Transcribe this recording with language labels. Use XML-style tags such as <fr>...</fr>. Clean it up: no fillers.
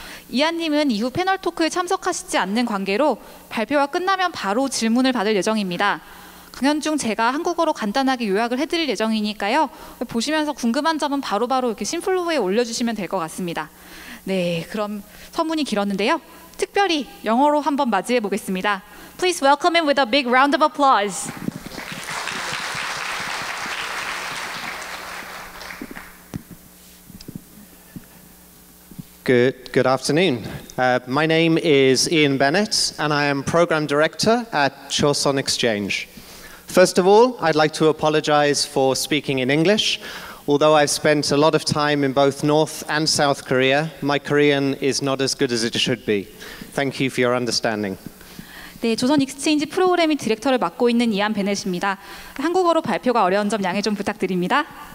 <ko>이한님은 이후 패널 토크에 참석하시지 않는 관계로 발표가 끝나면 바로 질문을 받을 예정입니다. 강연 중 제가 한국어로 간단하게 요약을 해드릴 예정이니까요. 보시면서 궁금한 점은 바로바로 이렇게 심플로우에 올려주시면 될 것 같습니다. 네, 그럼 서문이 길었는데요. 특별히 영어로 한번 맞이해 보겠습니다.</ko> <en>Please welcome him with a big round of applause. Good afternoon. My name is Ian Bennett, and I am Program Director at Choson Exchange. First of all, I'd like to apologize for speaking in English. Although I've spent a lot of time in both North and South Korea, my Korean is not as good as it should be. Thank you for your understanding.</en> <ko>네, 조선 익스체인지 프로그램의 디렉터를 맡고 있는 이안 베넷입니다. 한국어로 발표가 어려운 점 양해 좀 부탁드립니다.</ko>